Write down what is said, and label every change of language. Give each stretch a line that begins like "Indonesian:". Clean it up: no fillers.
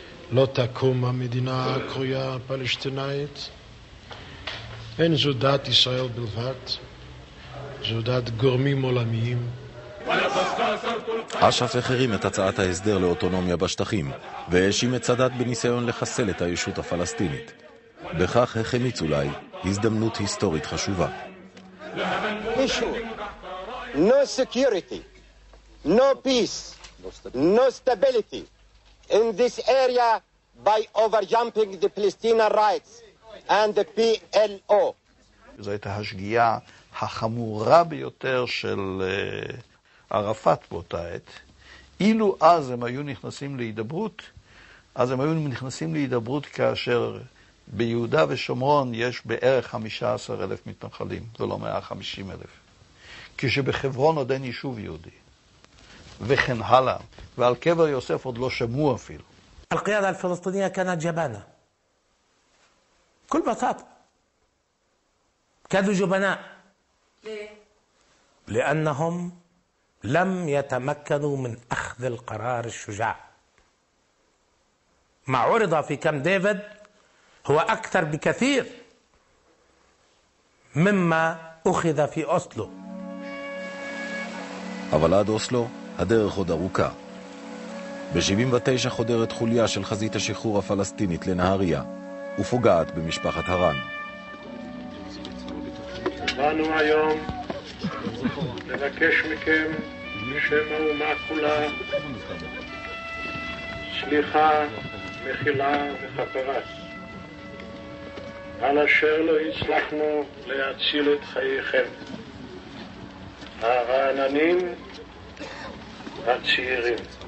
Hebrew: לא תקום המדינה הקרויה הפלשתינאית. אין זו דת ישראל בלבד. זודת גורמים עולמיים. אשף החרים את הצעת ההסדר לאוטונומיה בשטחים, והאשים את סאדאת בניסיון לחסל את הישות הפלסטינית. בכך החמיץ אולי הזדמנות היסטורית חשובה. מישהו,
English: no security, no peace, no stability in this area by overjumping the Palestinian rights and the PLO.
Hebrew: זו הייתה השגיאה החמורה ביותר של ערפאת באותה עת. אילו אז הם היו נכנסים להידברות, אז הם היו נכנסים להידברות כאשר ביהודה ושומרון יש בערך 15,000 מתנחלים, ולא 150,000. כשבחברון עוד אין יישוב יהודי, וכן הלאה, ועל קבר יוסף עוד לא שמעו אפילו.
Arabic: القياده الفلسطينيه كانت جبانه كل بساطه كانوا جبناء ليه لانهم لم يتمكنوا من اخذ القرار الشجاع ما عرض في كامب ديفيد هو اكثر بكثير مما اخذ في اوسلو
Hebrew: אבל עד אוסלו הדרך עוד ארוכה. ב-79 חודרת חוליה של חזית השחרור הפלסטינית לנהריה ופוגעת במשפחת הרן. באנו היום לבקש מכם בשם האומה כולה סליחה, מחילה וחפרה על אשר לא הצלחנו להציל את חייכם הרעננים הצעירים.